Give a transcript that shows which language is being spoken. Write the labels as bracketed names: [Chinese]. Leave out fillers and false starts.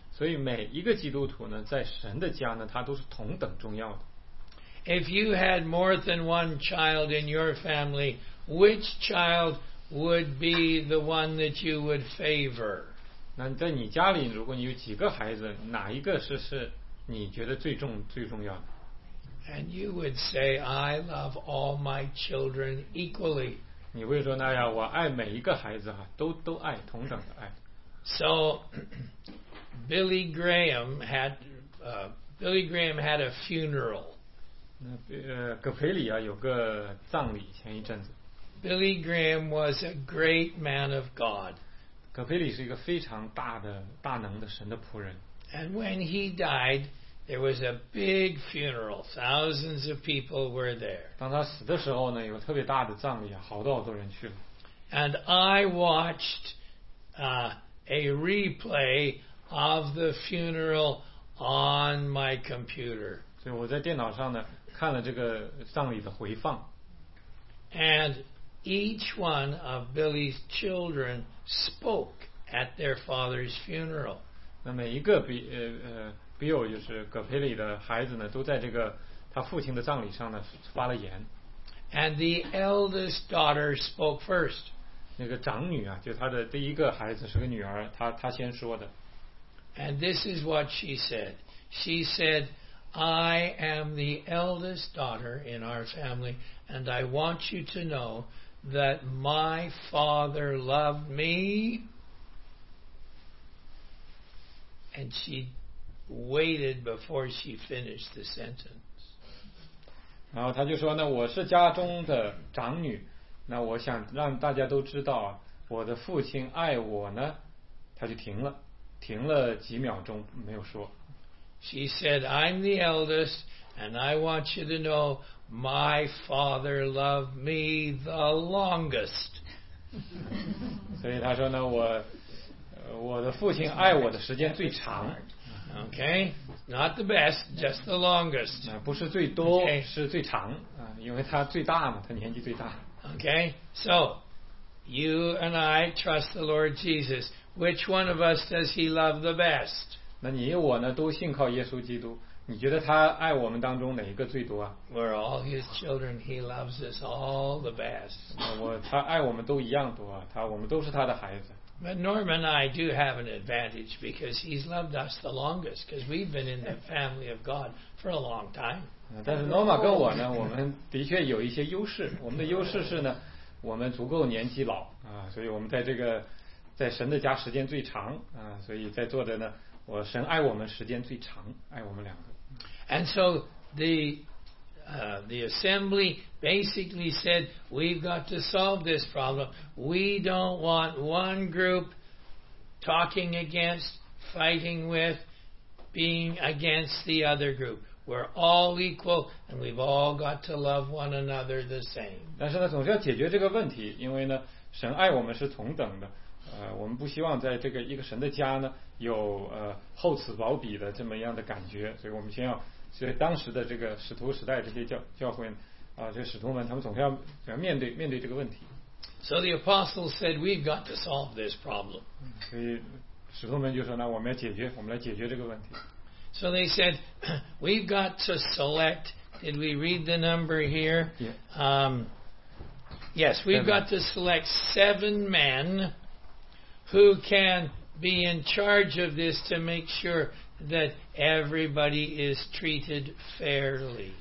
[Chinese] 所以每一个基督徒呢，在神的家呢，他都是同等重要的。 [English] If you had more than one child in your family, which child would be the one that you would favor? [Chinese] 那在你家里，如果你有几个孩子，哪一个是你觉得最重要的？ [English] And you would say, I love all my children equally. [Chinese] 你会说那样，我爱每一个孩子哈，都爱，同等的爱。 [English] So Billy Graham had a funeral. [Chinese] 那葛培里啊有个葬礼，前一阵子。 [English] Billy Graham was a great man of God. [Chinese] 葛培里是一个非常大的大能的神的仆人。 [English] And when he died, there was a big funeral. Thousands of people were there. [Chinese] 当他死的时候呢，有特别大的葬礼，好多好多人去了。 [English] And I watched a replay of the funeral on my computer. [Chinese] 所以我在电脑上呢，看了这个葬礼的回放。 [English] And each one of Billy's children spoke at their father's funeral. [Chinese] 那每一个Bill 就是葛培里的孩子呢，都在这个他父亲的葬礼上呢发了言。 [English] And the eldest daughter spoke first. [Chinese] 那个长女啊，就他的第一个孩子是个女儿，她先说的。 [English] And this is what she said. She said, "I am the eldest daughter in our family, and I want you to know that my father loved me." And she. Waited before she finished the sentence. [Chinese] 然后他就说呢，我是家中的长女，那我想让大家都知道，我的父亲爱我呢，他就停了，停了几秒钟，没有说。 [English] She said, I'm the eldest, and I want you to know my father loved me the longest. [Chinese] 所以他说呢，我的父亲爱我的时间最长。 [English] Okay, not the best, just the longest. [Chinese] 不是最多，是最长，因为他最大嘛，他年纪最大。 [English] Okay, so you and I trust the Lord Jesus. Which one of us does he love the best? [Chinese] 那你我呢都信靠耶稣基督，你觉得他爱我们当中哪一个最多啊？ [English] We're all his children. He loves us all the best. [Chinese] 他爱我们都一样多啊，我们都是他的孩子。 [English] But Norm and I do have an advantage because he's loved us the longest because we've been in the family of God for a long time. [Chinese] 但是 Norma 跟我呢，我们的确有一些优势。我们的优势是呢，我们足够年纪老啊，所以我们在这个在神的家时间最长啊，所以在座的呢，我神爱我们时间最长，爱我们两个。 [English] And so the assembly basically said, we've got to solve this problem. We don't want one group talking against, fighting with, being against the other group. We're all equal, and we've all got to love one another the same. [Chinese] 但是呢，总是要解决这个问题，因为呢，神爱我们是同等的。我们不希望在这个一个神的家呢，有厚此薄彼的这么样的感觉，所以我们先要。所以当时的这个使徒时代这些教会这个使徒们他们总是要面对这个问题。 [English] So the apostles said, we've got to solve this problem. [Chinese] 所以使徒们就说呢，我们来解决这个问题。 [English] So they said, we've got to select, did we read the number here? Yes, we've got to select 7 men who can be in charge of this to make sure that everybody is treated fairly.